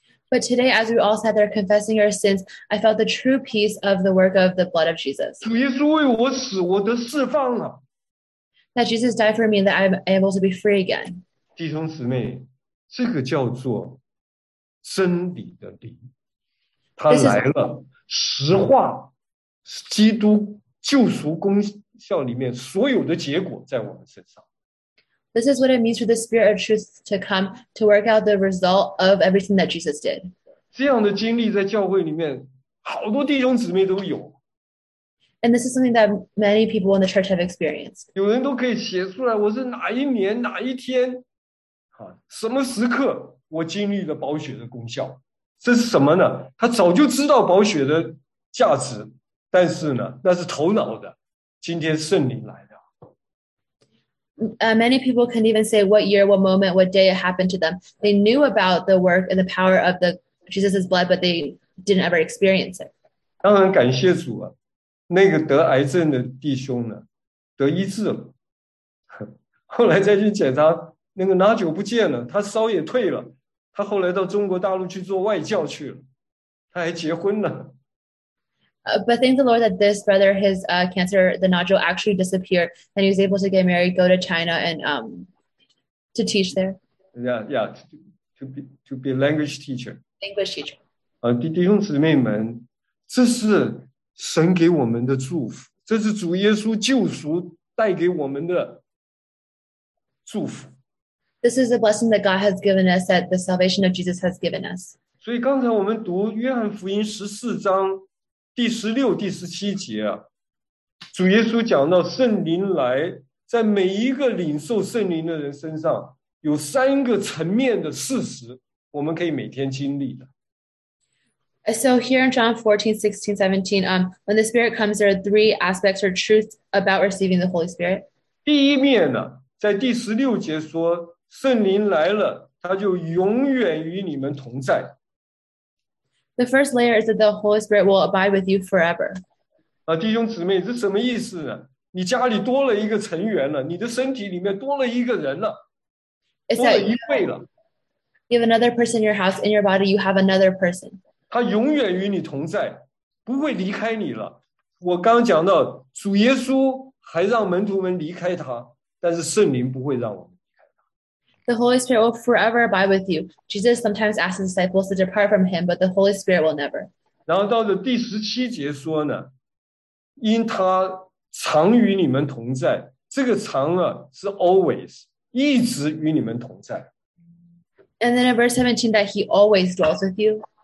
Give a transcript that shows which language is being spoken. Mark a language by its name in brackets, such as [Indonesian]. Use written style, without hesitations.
[English] But today, as we all sat there confessing our sins, I felt the true peace of the work of the blood of Jesus. [Chinese] 主耶稣为我死，我得释放了。 [English] That Jesus died for me, that I'm able to be free again. [Chinese] 弟兄姊妹，这个叫做真理的灵，他来了，实话，基督救赎功效里面所有的结果在我们身上。 [English] This is what it means for the Spirit of Truth to come to work out the result of everything that Jesus did. [Chinese] 这样的经历在教会里面，好多弟兄姊妹都有。 [English] And this is something that many people in the church have experienced. [Chinese] 有人都可以写出来，我是哪一年哪一天，什么时刻我经历了宝血的功效？这是什么呢？他早就知道宝血的价值，但是呢，那是头脑的。今天圣灵来的。 [English] Many people can even say what year, what moment, what day it happened to them. They knew about the work and the power of the Jesus's blood, but they didn't ever experience it. [Chinese] 当然感谢主啊。那个得癌症的弟兄呢，得医治了。后来再去检查，那个拿酒不见了，他烧也退了。他后来到中国大陆去做外教去了，他还结婚了。 [English] But thank the Lord that this brother, his cancer, the nodule actually disappeared, and he was able to get married, go to China, and to teach there. Yeah, to be language teacher. English teacher. [Chinese] 弟兄姊妹们，这是神给我们的祝福，这是主耶稣救赎带给我们的祝福。 [English] This is a blessing that God has given us, that the salvation of Jesus has given us. [Chinese] 所以刚才我们读约翰福音十四章第十六、第十七节啊，主耶稣讲到圣灵来，在每一个领受圣灵的人身上，有三个层面的事实，我们可以每天经历的。 [English] So here in John 14, 16, 17, when the Spirit comes, there are three aspects or truths about receiving the Holy Spirit. [Chinese] 第一面呢，在第十六节说，圣灵来了，他就永远与你们同在。 [English] The first layer is that the Holy Spirit will abide with you forever. [Chinese] 弟兄姊妹，这什么意思呢？你家里多了一个成员了，你的身体里面多了一个人了，多了一位了。 [English] You have another person in your house, in your body, you have another person. [Chinese] 他永远与你同在，不会离开你了。我刚讲到主耶稣还让门徒们离开他，但是圣灵不会让我们离开他。 [English] The Holy Spirit will forever abide with you. Jesus sometimes asks the disciples to depart from him, but the Holy Spirit will never. [Chinese] 然后到了第十七节说呢，因他常与你们同在，这个常啊是 always， 一直与你们同在。 [English] And then in verse 17 that he always dwells with you.